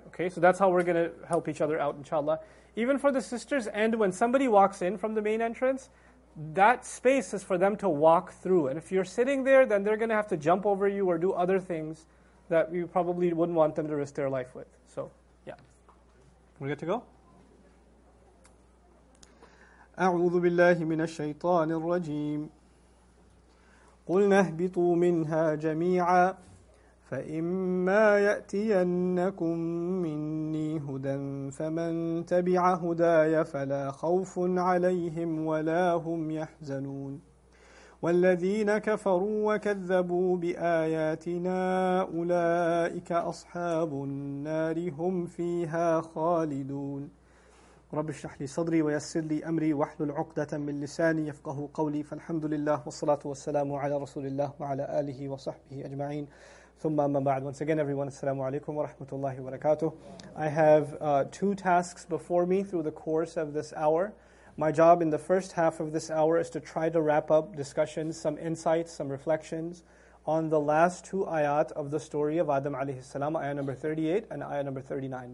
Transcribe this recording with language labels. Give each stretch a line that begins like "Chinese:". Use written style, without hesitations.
English: Okay, so that's how we're going to help each other out, inshallah. Even for the sisters, and when somebody walks in from the main entrance, that space is for them to walk through. And if you're sitting there, then they're going to have to jump over you or do other things that you probably wouldn't want them to risk their life with. So, yeah. We're good to go?
Arabic: أعوذ بالله من الشيطان الرجيم قلنا اهبطوا منها جميعا فإما يأتينكم مني هدى فمن تبع هداي فلا خوف عليهم ولا هم يحزنون والذين كفروا وكذبوا بآياتنا أولئك أصحاب النار هم فيها خالدون رب اشرح لي صدري ويسر لي أمري واحلل عقدة من لساني يفقه قولي فالحمد لله والصلاة والسلام على رسول الله وعلى آله وصحبه أجمعين ثُمَّ أَمَّا بَعْدُ
English: Once again everyone, assalamu alaikum wa rahmatullahi wa barakatuh. I have two tasks before me through the course of this hour. My job in the first half of this hour is to try to wrap up discussions, some insights, some reflections on the last two ayat of the story of Adam alayhi salam, ayah number 38 and ayah number 39.